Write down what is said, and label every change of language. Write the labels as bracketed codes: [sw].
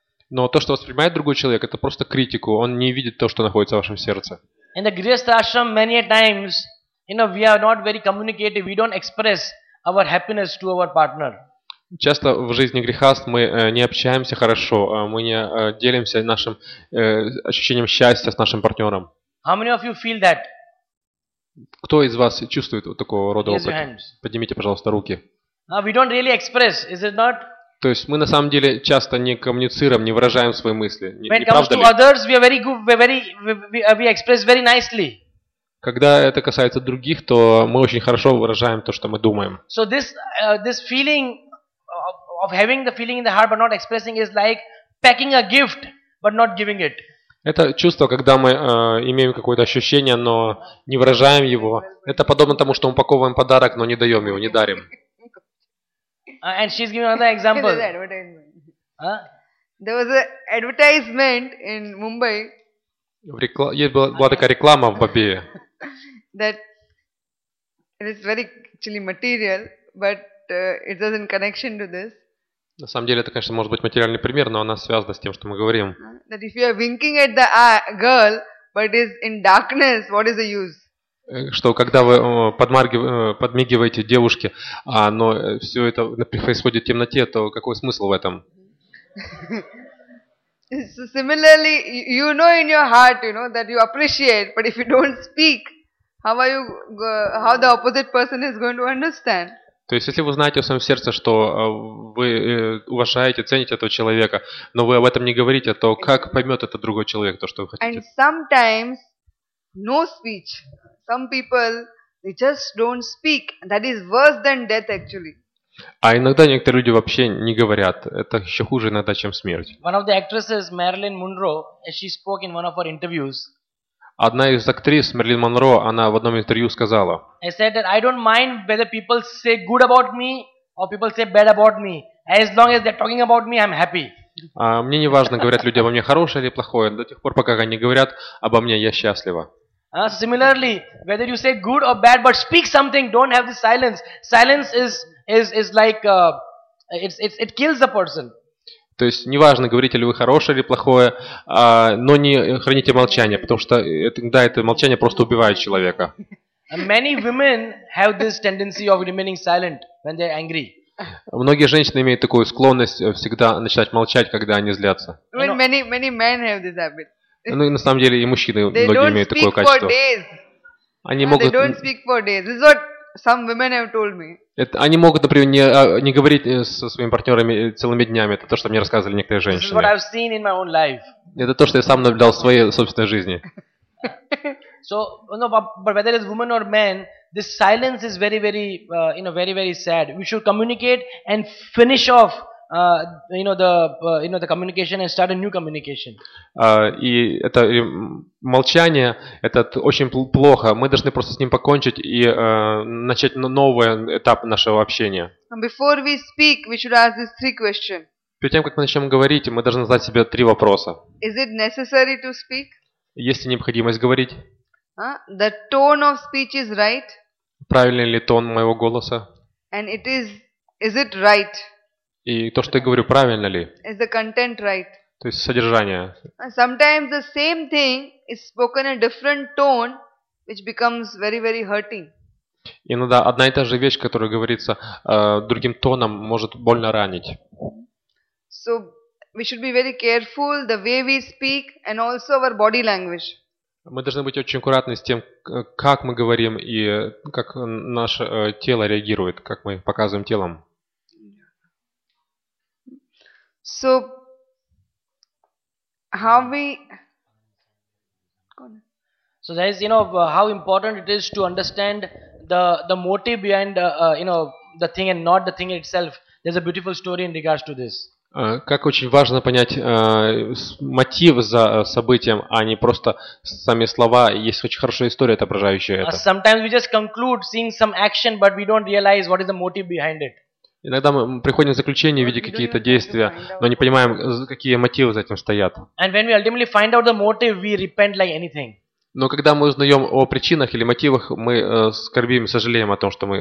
[ru] Но то, что воспринимает другой человек, это просто критику. Он не видит то, что находится в вашем сердце. [en] In the grihastha ashram, many a times, you know, we are not very communicative. We don't express our happiness to our partner. [ru] Часто в жизни грихаст мы не общаемся хорошо. Мы не делимся нашим ощущением счастья с нашим партнером. [en] How many of you feel that? [ru] Кто из вас чувствует вот такого рода опыт? Поднимите, пожалуйста, руки. [en] We don't really express, is it not? [ru] То есть мы на самом деле часто не коммуницируем, не выражаем свои мысли. [en] When it comes to others, we are very good, we express very nicely. [ru] Когда это касается других, то мы очень хорошо выражаем то, что мы думаем. [en] So this feeling of having the feeling in the heart but not expressing is like packing a gift but not giving it. [ru] Это чувство, когда мы имеем какое-то ощущение, но не выражаем его. Это подобно тому, что мы упаковываем подарок, но не даем его, не дарим. [en] And she's giving another example. There was an advertisement. There was an advertisement in Mumbai. [ru] Была такая реклама в Бомбее. [en] That it is very actually material, but it is in connection to this. [ru] На самом деле это, конечно, может быть материальный пример, но она связана с тем, что мы говорим. [en] That if you are winking at the girl, but it is in darkness, what is the use? [ru] что когда вы подмигиваете девушке, но все это происходит в темноте, то какой смысл в этом? [en] So similarly, you know in your heart, you know that you appreciate, but if you don't speak, how are you, how the opposite person is going to understand? [ru] То есть, если вы знаете в своем сердце, что вы уважаете, цените этого человека, но вы об этом не говорите, то как поймет этот другой человек то, что вы хотите? [en] And sometimes no speech. Some people they just don't speak. That is worse than death, actually. [ru] А иногда некоторые люди вообще не говорят. Это еще хуже иногда, чем смерть. [en] One of the actresses, Marilyn Monroe, she spoke in one of her interviews. [ru] Одна из актрис, Мэрилин Монро, она в одном интервью сказала: [en] I said that I don't mind whether people say good about me or people say bad about me. As long as they're talking about me, I'm happy. [ru] Мне не важно, говорят люди обо мне хорошее или плохое, до тех пор, пока они говорят обо мне, я счастлива. [en] Similarly, whether you say good or bad, but speak something, don't have the silence. Silence is like it kills the person. [ru] То есть, неважно, говорите ли вы хорошее или плохое, но не храните молчание, потому что иногда это молчание просто убивает человека. [en] Many women have this tendency of remaining silent when they're angry. [ru] Многие женщины имеют такую склонность всегда начинать молчать, когда они злятся. [en] Many men have this habit. [ru] Ну и на самом деле и мужчины многие имеют такое качество. [en] They don't speak for days. This is what some women have told me. [ru] Они могут, например, не говорить со своими партнерами целыми днями. Это то, что мне рассказывали некоторые женщины. [en] This is what I've seen in my own life. [ru] Это то, что я сам наблюдал в своей собственной жизни. [en] So, no, but whether it's woman or man, this silence is very, very, you know, very, very sad. We should communicate and finish off, the communication and start a new communication. [ru] И это молчание, это очень плохо. Мы должны просто с ним покончить и начать новый этап нашего общения. [en] Before we speak, we should ask these three questions. [ru] Перед тем, как мы начнем говорить, мы должны задать себе три вопроса. [en] Is it necessary to speak? [ru] Есть ли необходимость говорить? [en] The tone of speech is right. [ru] Правильный ли тон моего голоса? [en] And it is it right? [ru] И то, что я говорю, правильно ли? [en] Is the content right? [ru] То есть содержание. [en] Sometimes the same thing is spoken in a different tone, which becomes very, very hurting. [ru] Иногда одна и та же вещь, которая говорится другим тоном, может больно ранить. [en] So we should be very careful the way we speak and also our body language. [ru] Мы должны быть очень аккуратны с тем, как мы говорим и как наше тело реагирует, как мы показываем телом. [en] So, how we... So, there is, you know, how important it is to understand the motive behind, the thing and not the thing itself. There's a beautiful story in regards to this. [ru] Как очень важно понять мотив за событием, а не просто сами слова. Есть очень хорошая история, отображающая это. [en] Sometimes we just conclude seeing some action, but we don't realize what is the motive behind it. [ru] Иногда мы приходим к заключению в виде какие-то действия, но не понимаем, какие мотивы за этим стоят. [en] And when we ultimately find out the motive, we repent like anything. [ru] Но когда мы узнаем о причинах или мотивах, мы скорбим, сожалеем о том, что мы